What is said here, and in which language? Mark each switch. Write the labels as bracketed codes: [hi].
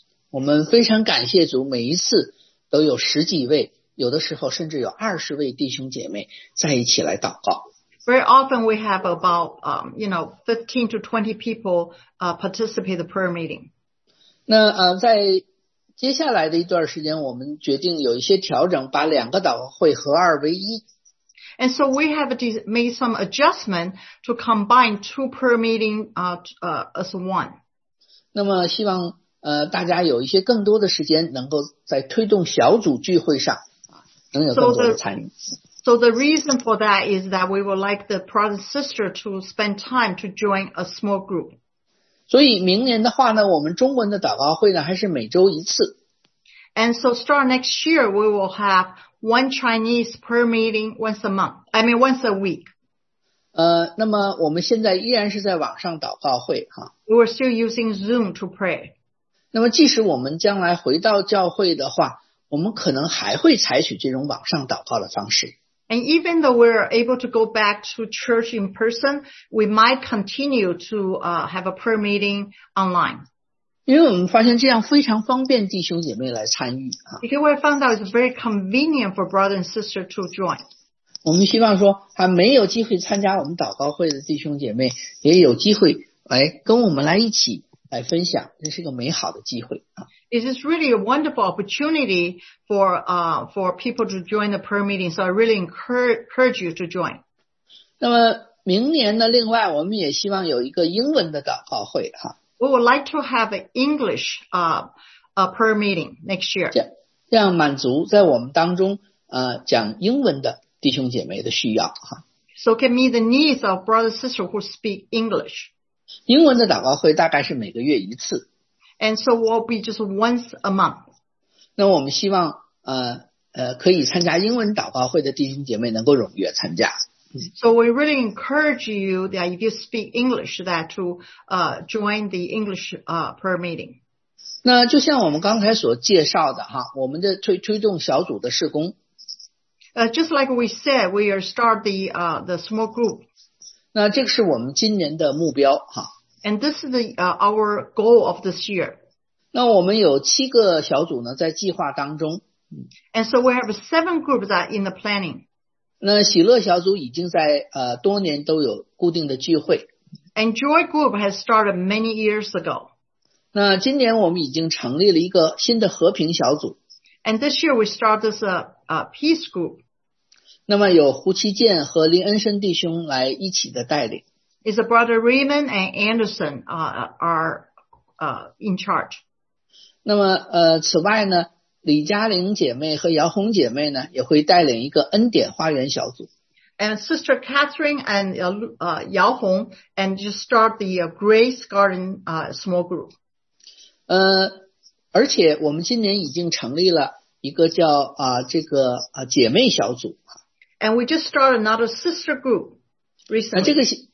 [zh] 我们非常感谢主，每一次都有十几位。有的时候甚至有20位弟兄姐妹在一起来祷告。 [en] Very often we have about, 15 to 20 people, participate in the prayer meeting. [zh] 那在接下来的一段时间，我们决定有一些调整，把两个祷告会合二为一。 [en] And so we have made some adjustment to combine two prayer meeting, as one. [zh] 那么希望大家有一些更多的时间能够在推动小组聚会上。 [en] So the reason for that is that we would like the brother sister to spend time to join a small group. [zh] 所以明年的话呢，我们中文的祷告会呢还是每周一次。 [en] And so start next year, we will have one Chinese prayer meeting once a month. I mean, once a week. [zh] 那么我们现在依然是在网上祷告会哈。 [en] We were still using Zoom to pray. [zh] 那么即使我们将来回到教会的话，我们可能还会采取这种网上祷告的方式。 [en] And even though we're able to go back to church in person, we might continue to have a prayer meeting online. [zh] 因为我们发现这样非常方便弟兄姐妹来参与。 [en] Because we found out it's very convenient for brother and sister to join. [zh] 我们希望说还没有机会参加我们祷告会的弟兄姐妹也有机会来跟我们来一起来分享，这是个美好的机会。 [en] This is really a wonderful opportunity for people to join the prayer meeting, so I really encourage you to join. [zh] 那么明年呢，另外我们也希望有一个英文的祷告会。 [en] We would like to have an English prayer meeting next year. [zh] 这样满足在我们当中讲英文的弟兄姐妹的需要。 [en] So can meet the needs of brothers and sisters who speak English. [zh] 英文的祷告会大概是每个月一次。 [en] And so we'll be just once a month. [zh] 那我们希望可以参加英文祷告会的弟兄姐妹能够踊跃参加。 [en] So we really encourage you that if you speak English that to join the English prayer meeting. [zh] 那就像我们刚才所介绍的哈，我们的推动小组的事工。 [en] Just like we said, we are start the small group. [zh] 那这个是我们今年的目标哈。 [en] And this is the, our goal of this year. [zh] 那我们有七个小组呢在计划当中。 [en] And so we have seven groups that are in the planning. [zh] 那喜乐小组已经在多年都有固定的聚会。 [en] And Joy Group has started many years ago. [zh] 那今年我们已经成立了一个新的和平小组。 [en] And this year we started this peace group. [zh] 那么有胡其健和林恩生弟兄来一起的带领。 [en] Is a brother Raymond and Anderson are in charge. [zh] 那么此外呢，李嘉玲姐妹和姚红姐妹呢也会带领一个恩典花园小组。 [en] And Sister Catherine and Yao Hong and just start the Grace Garden small group. [zh] 而且我们今年已经成立了一个叫姐妹小组。 [en] And we just started another sister group recently.